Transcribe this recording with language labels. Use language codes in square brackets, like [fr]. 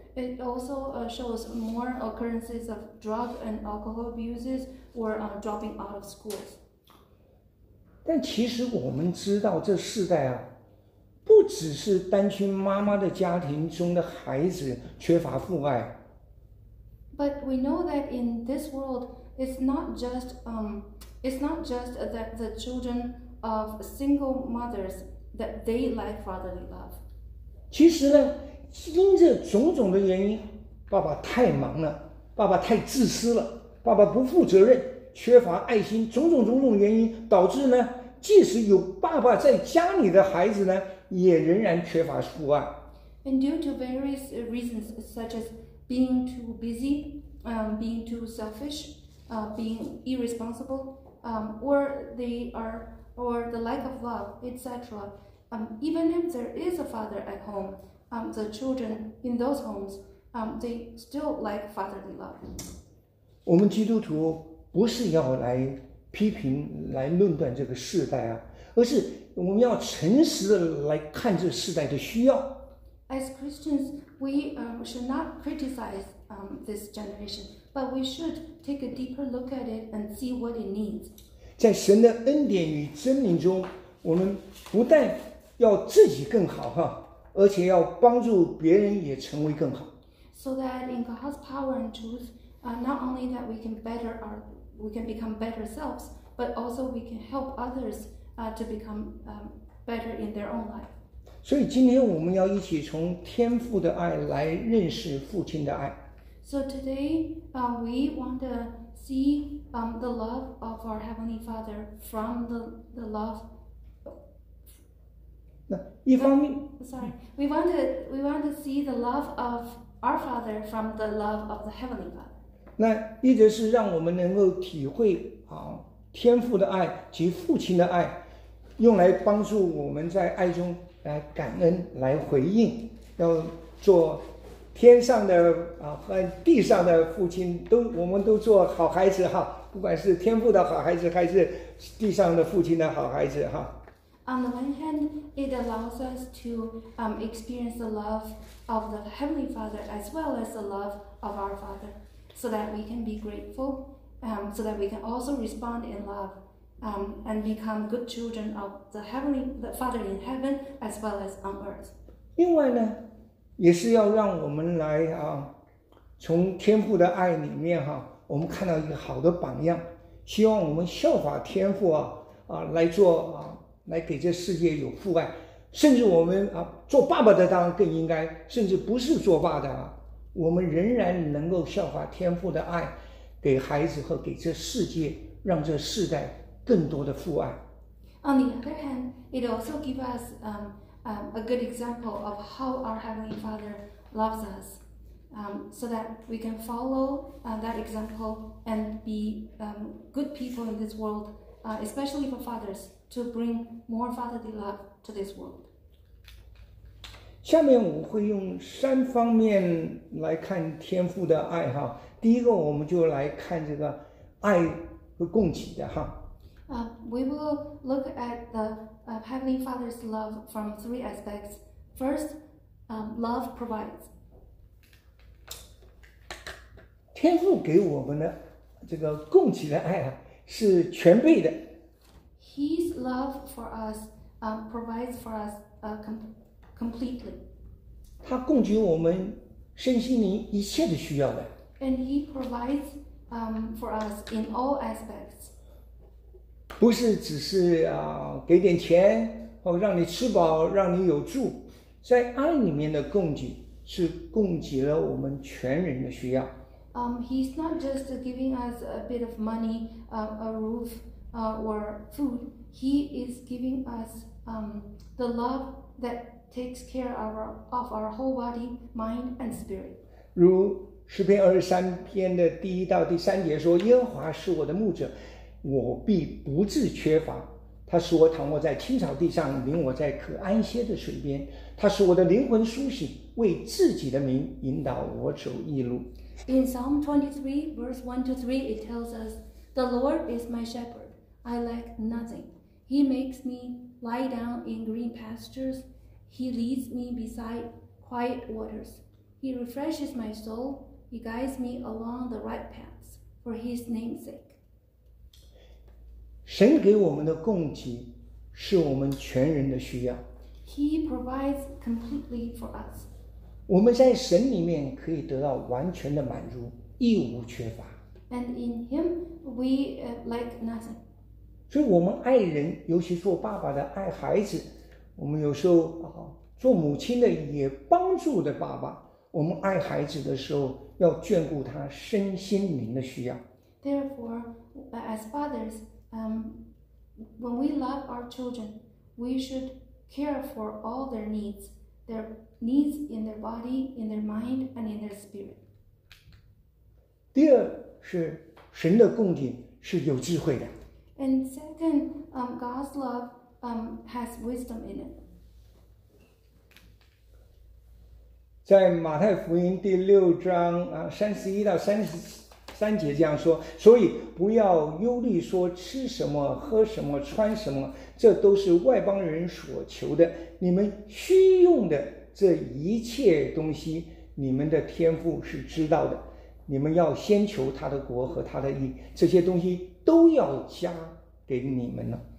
[en] It also shows more occurrences of drug and alcohol abuses or dropping out of schools. [zh] 但其实我们知道这世代啊，不只是单亲妈妈的家庭中的孩子缺乏父爱。 [en] But we know that in this world, it's not just that the children of single mothers that they lack fatherly love. [zh] 其实呢，因着种种的原因，爸爸太忙了，爸爸太自私了，爸爸不负责任。缺乏爱心，种种原因导致呢，即使有爸爸在家里的孩子呢，也仍然缺乏父爱。 [en] And due to various reasons, such as being too busy, being too selfish, being irresponsible, or they are or the lack of love, etc. Even if there is a father at home, the children in those homes, they still lack fatherly love. [zh] 我们基督徒不是要来批评、来论断这个世代啊，而是我们要诚实的来看这世代的需要。 [en] As Christians, we should not criticize this generation, but we should take a deeper look at it and see what it needs. [zh] 在神的恩典与真理中，我们不但要自己更好哈，而且要帮助别人也成为更好。 [en] So that in God's power and truth, not only that we can become better selves, but also we can help others to become better in their own life. [zh] 所以今天我们要一起从天父的爱来认识父亲的爱。 [en] So today, we want to see the love of our heavenly Father from the love. [zh] 那一方面 [en] ，Sorry, we want to see the love of our Father from the love of the heavenly Father. [zh] 那一则是让我们能够体会啊天父的爱及父亲的爱，用来帮助我们在爱中。来感恩，来回应，要做天上的啊和地上的父亲，都我们都做好孩子哈，不管是天父的好孩子，还是地上的父亲的好孩子哈。 [en] On the one hand, it allows us to experience the love of the Heavenly Father as well as the love of our Father, so that we can be grateful, so that we can also respond in love. And become good children of the Father in heaven as well as on earth. [zh] 另外呢，也是要让我们来啊，从天父的爱里面哈，我们看到一个好的榜样，希望我们效法天父啊啊来做啊，来给这世界有父爱，甚至我们啊做爸爸的当然更应该，甚至不是做爸的啊，我们仍然能够效法天父的爱，给孩子和给这世界，让这世代。更多的父爱。 [en] On the other hand, it also gives us a good example of how our Heavenly Father loves us, so that we can follow that example and be good people in this world, especially for fathers, to bring more fatherly love to this world. [zh] 下面我会用三方面来看天父的爱哈。第一个，我们就来看这个爱和供给的哈。 [en] We will look at the Heavenly Father's love from three aspects. First, love provides. [zh] 天父给我们的这个供给的爱啊，是全备的。 [en] His love for us provides for us completely. [zh] 他供给我们身心灵一切的需要的。 [en] And He provides for us in all aspects. [zh] 不是只是啊，给点钱或让你吃饱，让你有住，在爱里面的供给是供给了我们全人的需要。 [en] He's not just giving us a bit of money, a roof, or food. He is giving us the love that takes care of our whole body, mind, and spirit. [zh] 如诗篇二十三篇的第一到第三节说：“耶和华是我的牧者。” 我必不致缺乏。他使我躺卧在青草地上，领我在可安歇的水边。他使我的灵魂苏醒，为自己的名引导我走义路。 [en] In Psalm 23, verse 1 to 3, it tells us, The Lord is my shepherd. I lack nothing. He makes me lie down in green pastures. He leads me beside quiet waters. He refreshes my soul. He guides me along the right paths for his name's sake. [zh] 神给我们的供给是我们全人的需要。 [en] He provides completely for us. [zh] 我们在神里面可以得到完全的满足，一无缺乏。 [en] And in Him, we lack nothing. [zh] 所以我们爱人，尤其做爸爸的爱孩子，我们有时候做母亲的也帮助的爸爸，我们爱孩子的时候要眷顾他身心灵的需要。 [en] Therefore, as fathers,when we love our children, we should care for all their needs in their body, in their mind, and in their spirit. [zh] 第二是神的供给是有智慧的。 [en] And second, God's love has wisdom in it. [zh] 在马太福音第六章啊三十一到三十三节这样说，所以不要忧虑说吃什么喝什么穿什么，这都是外邦人所求的，你们需用的这一切东西你们的天父是知道的，你们要先求他的国和他的义，这些东西都要加给你们了。